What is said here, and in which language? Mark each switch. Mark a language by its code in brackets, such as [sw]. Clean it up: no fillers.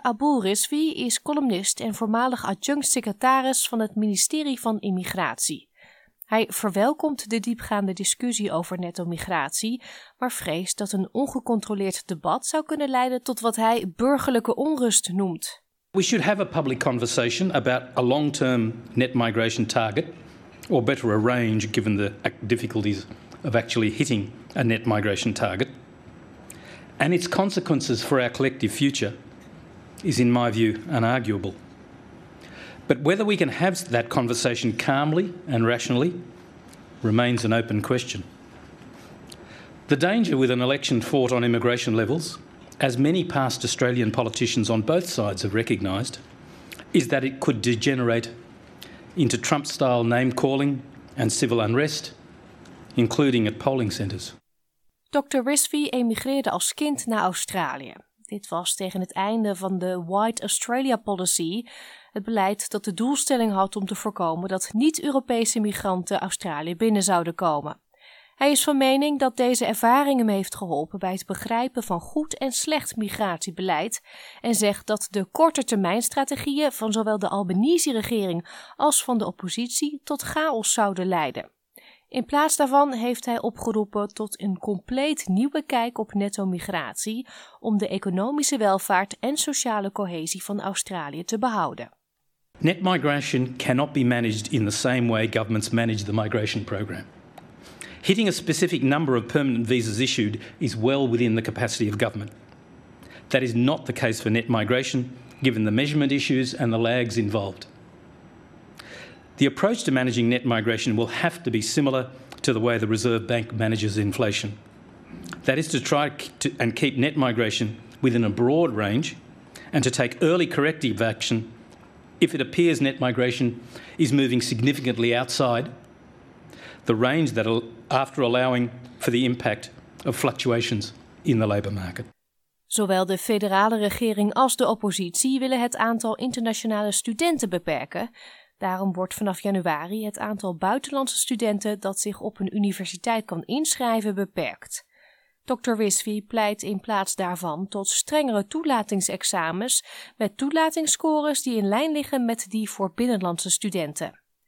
[nl] Abul Rizvi is columnist en voormalig adjunct-secretaris van het ministerie van Immigratie. Hij verwelkomt de diepgaande discussie over netto-migratie, maar vreest dat een ongecontroleerd debat zou kunnen leiden tot wat hij burgerlijke onrust noemt. [en] We should have a public conversation about a long-term net migration target, or better a range given the difficulties of actually hitting a net migration target, and its consequences for our collective future is in my view unarguable. But whether we can have that conversation calmly and rationally remains an open question. The danger with an election fought on immigration levels, as many past Australian politicians on both sides have recognised, is that it could degenerate into Trump-style name-calling and civil unrest, including at polling centres. [nl] Dr. Rizvi emigreerde als kind naar Australië. Dit was tegen het einde van de White Australia Policy, het beleid dat de doelstelling had om te voorkomen dat niet-Europese migranten Australië binnen zouden komen. Hij is van mening dat deze ervaring hem heeft geholpen bij het begrijpen van goed en slecht migratiebeleid en zegt dat de korte termijn strategieën van zowel de Albanese-regering als van de oppositie tot chaos zouden leiden. In plaats daarvan heeft hij opgeroepen tot een compleet nieuwe kijk op netto-migratie om de economische welvaart en sociale cohesie van Australië te behouden. [en] Net migration cannot be managed in the same way governments manage the migration program. Hitting a specific number of permanent visas issued is well within the capacity of government. That is not the case for net migration, given the measurement issues and the lags involved. The approach to managing net migration will have to be similar to the way the Reserve Bank manages inflation. That is to try to and keep net migration within a broad range and to take early corrective action if it appears net migration is moving significantly outside the range that after allowing for the impact of fluctuations in the labour market. [nl] Zowel de federale regering als de oppositie willen het aantal internationale studenten beperken. Daarom wordt vanaf januari het aantal buitenlandse studenten dat zich op een universiteit kan inschrijven beperkt. Dr. Wiswi pleit in plaats daarvan tot strengere toelatingsexamens met toelatingsscores die in lijn liggen met die voor binnenlandse studenten.